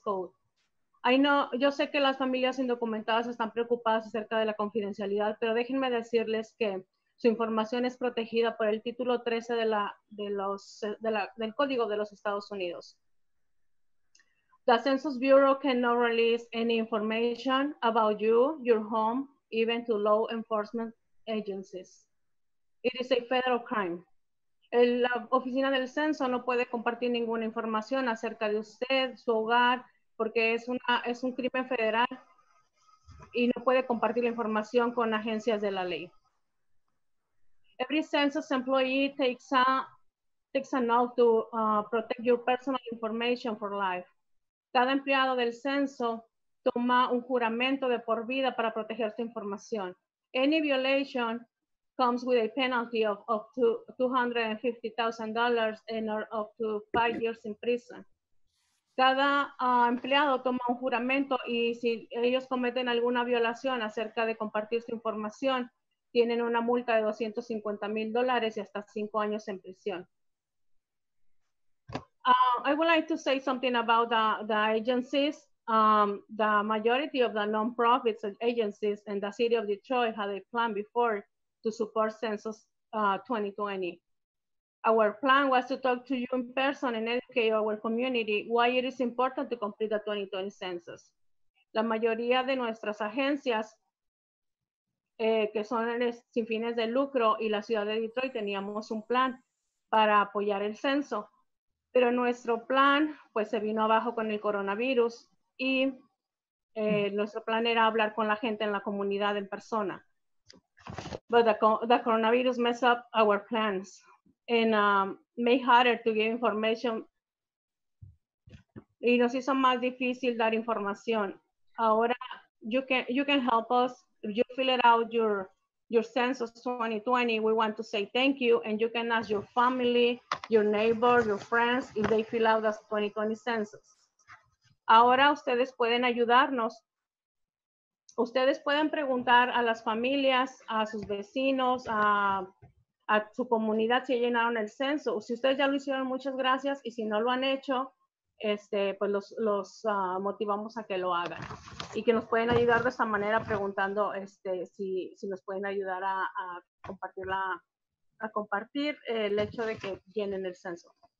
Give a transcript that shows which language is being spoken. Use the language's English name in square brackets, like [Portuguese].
[English] Code. I know, [Spanish] yo sé que las familias indocumentadas están preocupadas acerca de la confidencialidad, pero déjenme decirles que su información es protegida por el título 13 del Código de los Estados Unidos. [English] The Census Bureau cannot release any information about you, your home, even to law enforcement agencies. It is a federal crime. [Spanish] La oficina del censo no puede compartir ninguna información acerca de usted, su hogar, porque es un crimen federal y no puede compartir la información con agencias de la ley. [English] Every census employee takes an oath to protect your personal information for life. [Spanish] Cada empleado del censo toma un juramento de por vida para proteger su información. [English] Any violation comes with a penalty of up to $250,000 and or up to 5 years in prison. [Spanish] Cada empleado toma un juramento y si ellos cometen alguna violación acerca de compartir su información, tienen una multa de $250,000 y hasta 5 años en prisión. [English] I would like to say something about the agencies. The majority of the nonprofits and agencies in the city of Detroit had a plan before to support Census 2020. Our plan was to talk to you in person and educate our community why it is important to complete the 2020 census. [Spanish] La mayoría de nuestras agencias que son sin fines de lucro y la ciudad de Detroit teníamos un plan para apoyar el censo, pero nuestro plan pues se vino abajo con el coronavirus y nuestro plan era hablar con la gente en la comunidad en persona. [English] But the coronavirus messed up our plans and made harder to give information [Spanish] y nos hizo más difícil dar información. [English] Ahora you can help us. If you fill it out your census 2020, we want to say thank you, and you can ask your family, your neighbor, your friends, if they fill out the 2020 census. [Spanish] Ahora ustedes pueden ayudarnos. Ustedes pueden preguntar a las familias, a sus vecinos, a su comunidad si llenaron el censo. Si ustedes ya lo hicieron, muchas gracias, y si no lo han hecho, pues los motivamos a que lo hagan y que nos pueden ayudar de esta manera preguntando si nos pueden ayudar a compartir el hecho de que llenen el censo.